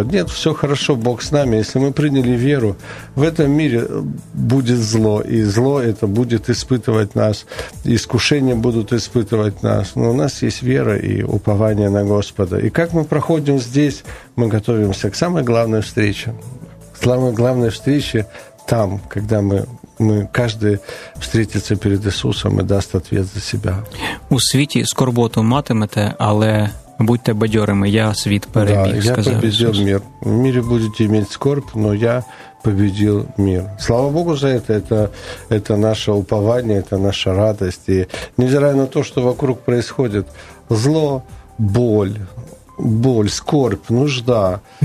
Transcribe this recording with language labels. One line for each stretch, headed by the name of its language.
Russian: Нет, все хорошо, Бог с нами. Если мы приняли веру, в этом мире будет зло, и зло это будет испытывать нас, искушения будут испытывать нас. Но у нас есть вера и упование на Господа. И как мы проходим здесь, мы готовимся к самой главной встрече. Самая главная встреча там, когда мы каждый встретится перед Иисусом и даст ответ за себя.
Ukrainian: У світі скорботу матимете, але будьте бадьорими, я світ перебіг, сказав Ісус.
Russian: Да, я победил мир. В мире будете иметь скорбь, но я победил мир. Слава Богу за это. Это наше упование, это наша радость. И невзирая на то, что вокруг происходит, зло, боль, скорбь, нужда.